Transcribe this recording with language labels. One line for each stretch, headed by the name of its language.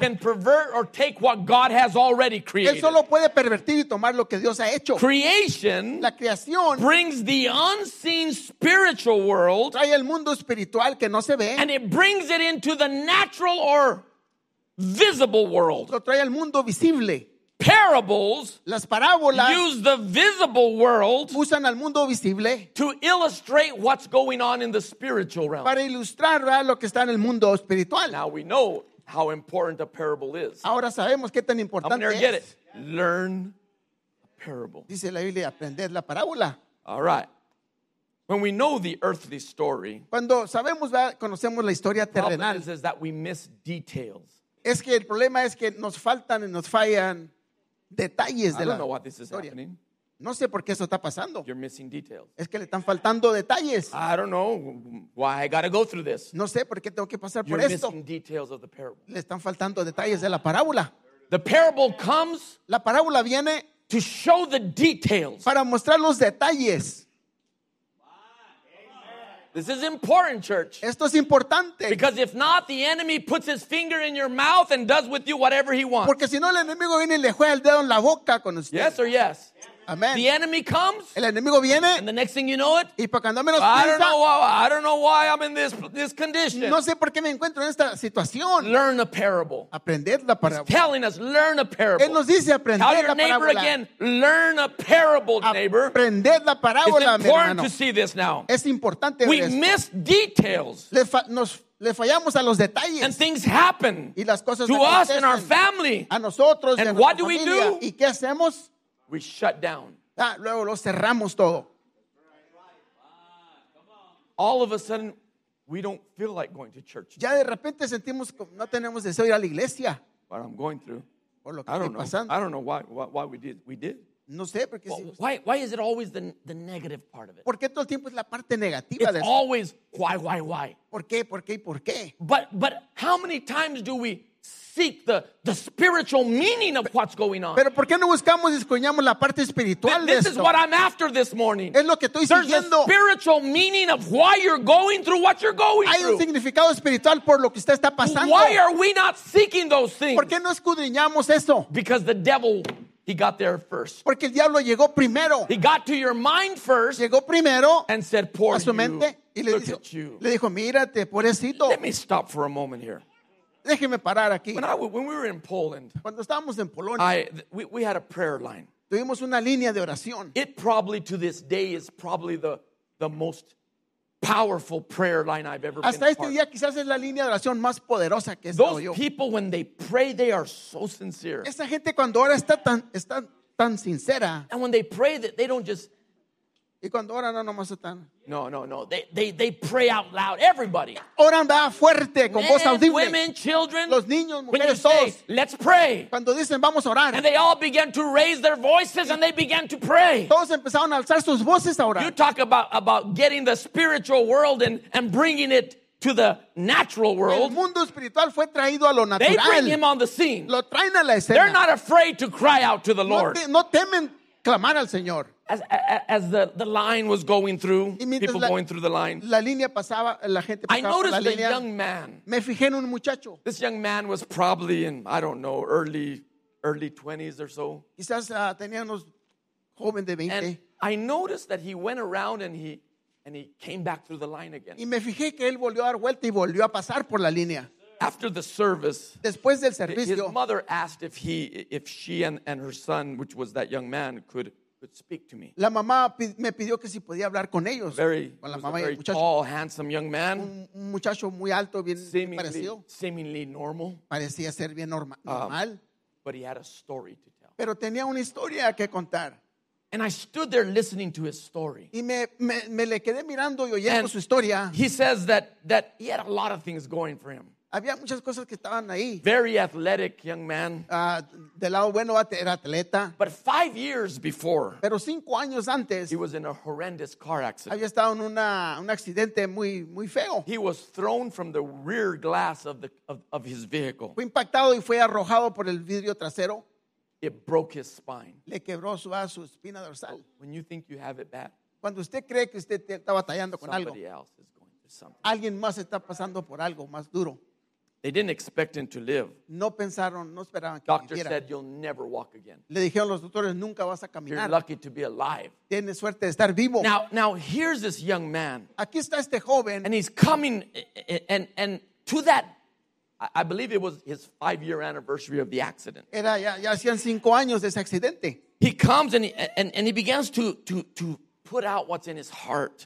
English: Can pervert or take what God has already created.
Spanish: Él solo puede pervertir y tomar lo que Dios ha hecho.
English: Creation,
Spanish: la creación,
English: brings the unseen spiritual world.
Spanish: Trae el mundo espiritual que no se ve.
English: And it brings it into the natural or visible world.
Spanish: Lo trae al mundo visible.
English: Parables,
Spanish: las parábolas,
English: use the visible world,
Spanish: usan al mundo visible,
English: to illustrate what's going on in the spiritual realm.
Spanish: Para ilustrar lo que está en el mundo espiritual.
English: Now we know how important a parable is.
Spanish: Ahora sabemos qué tan importante es.
English: I'm gonna get it. Learn a parable.
Spanish: Dice la Biblia, aprender la parábola.
English: All right. When we know the earthly story,
Spanish: cuando sabemos conocemos la historia terrenal,
English: the problem is that we miss details.
Spanish: Es que el problema es que nos faltan y nos fallan detalles de la historia.
English: Happening.
Spanish: No sé por qué eso está pasando.
English: You're missing details.
Spanish: Es que le están faltando detalles.
English: I don't know why I gotta go through this.
Spanish: No sé por qué tengo que pasar
English: You're
Spanish: por esto.
English: You're missing details of the parable.
Spanish: Le están faltando detalles de la parábola.
English: The parable comes
Spanish: la parábola viene
English: to show the details.
Spanish: Para mostrar los detalles.
English: This is important, church.
Spanish: Esto es importante.
English: Because if not, the enemy puts his finger in your mouth and does with you whatever he wants.
Spanish: Porque si no, el enemigo viene y le juega el dedo en la boca con usted.
English: Yes or yes? Amen. The enemy comes.
Spanish: El enemigo viene.
English: And the next thing you know it.
Spanish: Y para cuando menos piensa.
English: I don't know why I'm in this condition.
Spanish: No sé por qué me encuentro en esta situación.
English: Learn a parable.
Spanish: Aprender la parábola.
English: He's telling us, learn a parable.
Spanish: Él nos dice aprender
English: Tell
Spanish: la parábola.
English: Tell your neighbor again, learn a parable, neighbor.
Spanish: Aprender la parábola,
English: It's important to see this now.
Spanish: Es importante
English: We
Spanish: ver esto.
English: We miss details.
Spanish: Le fallamos a los detalles.
English: And things happen.
Spanish: Y las cosas
English: to us and our family.
Spanish: A nosotros
English: and
Spanish: y a
English: what
Spanish: nuestra
English: do
Spanish: familia.
English: We do?
Spanish: ¿Y qué hacemos?
English: We shut down.
Spanish: Ah, luego lo cerramos todo.
English: All of a sudden, we don't feel like going to church.
Spanish: Ya de repente sentimos como no tenemos deseo ir a la iglesia.
English: What I'm going through.
Spanish: Por lo que estoy pasando.
English: I don't know why we did. We did.
Spanish: No sé porque
English: well, why is it always the negative part of it?
Spanish: ¿Por qué todo el tiempo es la parte negativa
English: It's
Spanish: de esto?
English: Always why?
Spanish: ¿Por qué? ¿Por qué? ¿Por qué?
English: But how many times do we seek the spiritual meaning of what's going on.
Spanish: Pero ¿por qué no buscamos y escudriñamos la parte espiritual de esto?
English: This is what I'm after this morning.
Spanish: Es lo que estoy siguiendo.
English: There's a spiritual meaning of why you're going through what you're going through.
Spanish: Hay un significado espiritual por lo que usted está pasando.
English: Why are we not seeking those things?
Spanish: ¿Por qué no escudriñamos eso?
English: Because the devil, he got there first.
Spanish: Porque el diablo llegó primero.
English: He got to your mind first.
Spanish: Llegó primero.
English: And said, poor
Spanish: a su mente,
English: you.
Spanish: Y le
English: look
Spanish: dijo,
English: at you.
Spanish: Le dijo, mírate, pobrecito.
English: Let me stop for a moment here.
Spanish: Déjeme parar aquí.
English: When we were in Poland,
Spanish: cuando estábamos en Polonia,
English: we had a prayer line.
Spanish: Tuvimos una línea de oración.
English: It probably to this day is probably the most powerful prayer line I've ever
Spanish: Hasta
English: been
Spanish: este
English: part.
Spanish: Día quizás es la línea de oración más poderosa que he
English: Those
Spanish: estado yo.
English: Those people when they pray they are so sincere.
Spanish: Esa gente cuando ora está tan sincera.
English: And when they pray that they don't just
Spanish: Y cuando oran no nomás están.
English: No. They pray out loud. Everybody.
Spanish: Oran va fuerte con
English: Men,
Spanish: voz audible.
English: Women, children.
Spanish: Los niños, mujeres,
English: when you
Spanish: todos.
English: Say, Let's pray.
Spanish: Cuando dicen vamos a orar.
English: And they all began to raise their voices and they began to pray.
Spanish: Todos empezaron a alzar sus voces a orar.
English: You talk about getting the spiritual world and bringing it to the natural world.
Spanish: El mundo espiritual fue traído a lo natural.
English: They bring him on the scene.
Spanish: Lo traen a la escena.
English: They're not afraid to cry out to the Lord.
Spanish: No temen clamar al Señor.
English: As the line was going through, people going through the line,
Spanish: la línea pasaba, la gente pasaba
English: I noticed
Spanish: la línea,
English: a young man.
Spanish: Me fijé en un muchacho.
English: This young man was probably in, I don't know, early 20s or so.
Spanish: Quizás tenía unos joven de 20.
English: And I noticed that he went around and he came back through the line again.
Spanish: Y me fijé que él volvió a dar vuelta y volvió a pasar por la línea.
English: After the service,
Spanish: después del servicio,
English: his mother asked if she and her son, which was that young man, could speak to me.
Spanish: La mamá me pidió que si podía hablar con ellos.
English: Very,
Spanish: con la mamá y el muchacho.
English: Tall, handsome young man.
Spanish: Un muchacho muy alto, bien parecido.
English: Seemingly normal.
Spanish: Parecía ser bien normal.
English: But he had a story to tell.
Spanish: Pero tenía una historia que contar.
English: And I stood there listening to his story.
Spanish: Y me le quedé mirando y oyendo
English: and
Spanish: su historia.
English: He says that he had a lot of things going for him.
Spanish: Había muchas cosas que estaban ahí.
English: Very athletic young man.
Spanish: Del lado bueno era atleta.
English: But 5 years before.
Spanish: Pero 5 años antes.
English: He was in a horrendous car accident.
Spanish: Había estado en un accidente muy muy feo.
English: He was thrown from the rear glass of his vehicle.
Spanish: Fue impactado y fue arrojado por el vidrio trasero.
English: It broke his spine.
Spanish: Le quebró su espina dorsal.
English: When you think you have it bad,
Spanish: cuando usted cree que usted está batallando con algo,
English: somebody else is going through something.
Spanish: Alguien más está pasando por algo más duro.
English: They didn't expect him to live.
Spanish: No pensaron, no esperaban que viviera.
English: Doctor said you'll never walk again.
Spanish: Le dijeron los doctores, nunca vas a caminar.
English: You're lucky to be alive.
Spanish: Tienes suerte de estar vivo.
English: Now here's this young man.
Spanish: Aquí está este joven.
English: And he's coming and to that, I believe it was his 5-year anniversary of the accident.
Spanish: Era ya hacían 5 años de ese accidente.
English: He comes and he begins to put out what's in his heart.